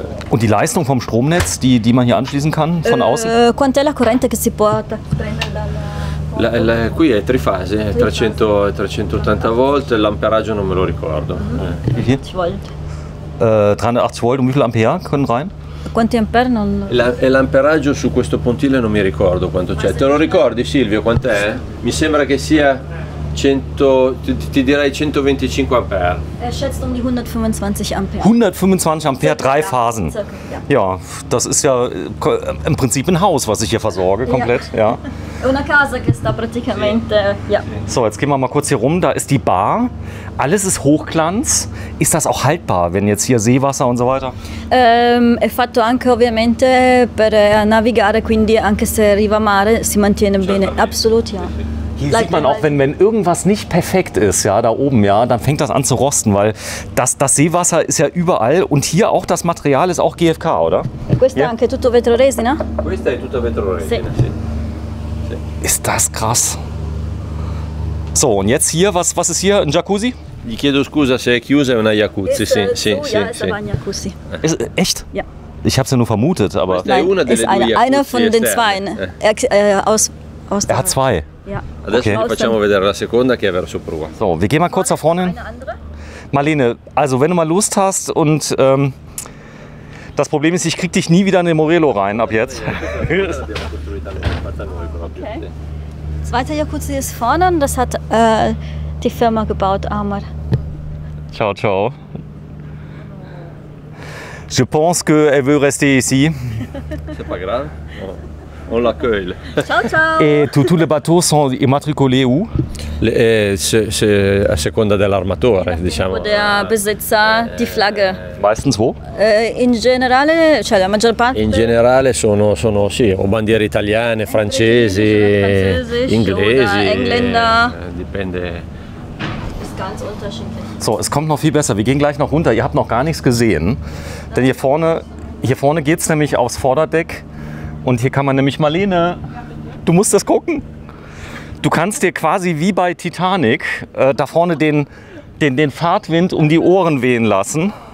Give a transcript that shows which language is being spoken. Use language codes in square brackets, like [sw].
[de] Und die Leistung vom Stromnetz, die man hier anschließen kann von außen? [it] Quant'è la corrente che si può prendere La, qui è trifase, 380 volt, l'amperaggio non me lo ricordo. [de] Wie viel? 380 volt, un wie viel ampere können rein? [it] Quanti ampere non... L'amperaggio su questo pontile non mi ricordo quanto c'è. Te lo ricordi Silvio, quant'è? Mi sembra che sia 100, ti direi 125 ampere. [de] Er schätzt um die 125 ampere. 125 ampere, drei Phasen. Ja, das ist ja im Prinzip ein Haus, was ich hier versorge, komplett. Ja. [it] Una casa che sta praticamente, [de] ja. So, jetzt gehen wir mal kurz hier rum. Da ist die Bar. Alles ist Hochglanz. Ist das auch haltbar, wenn jetzt hier Seewasser und so weiter? [it] È fatto anche ovviamente per navigare, quindi anche se arriva mare si mantiene bene. [de] Absolut, ja. Hier sieht man auch, wenn irgendwas nicht perfekt ist, ja, da oben, ja, dann fängt das an zu rosten, weil das Seewasser ist ja überall und hier auch das Material ist auch GFK, oder? [it] Questo è anche tutto vetro resina? Questo è tutto vetro resina, sì. [de] Toilette. Ist das krass. So, und jetzt hier, was ist hier, ein Jacuzzi? [it] Gli chiedo scusa se è chiusa, è una jacuzzi. [de] Ist, [it] sì, [de] ein Jacuzzi. Ist, echt? Ja. Ich habe es ja nur vermutet, aber... Nein, ist einer von den zwei. Aus er hat zwei? Ja. [it] Adesso okay. Facciamo vedere la seconda, che è verso prua. [de] So, wir gehen mal kurz da vorne hin. Eine andere? Marlene, also wenn du mal Lust hast und... das Problem ist, ich krieg dich nie wieder in den Morello rein ab jetzt. Okay. Zweiter Jacuzzi ist vorne und das hat die Firma gebaut, Amar. [it] Ciao, ciao. [fr] Je pense que elle veut rester ici. C'est pas grave. On l'accueille. [it] Ciao, ciao. [fr] Et tous les bateaux sont immatriculés où? [it] A seconda dell'armatore, diciamo. [de] Der Besitzer, die Flagge. Meistens wo? [it] In generale, cioè la maggior parte. In generale sono sì, o bandiere italiane, francesi, inglesi. [de] Engländer. [it] Dipende. [de] Ist ganz unterschiedlich. So, es kommt noch viel besser. Wir gehen gleich noch runter. Ihr habt noch gar nichts gesehen. Denn hier vorne geht es nämlich aufs Vorderdeck. Und hier kann man nämlich, Marlene, du musst das gucken. Du kannst dir quasi wie bei Titanic da vorne den Fahrtwind um die Ohren wehen lassen.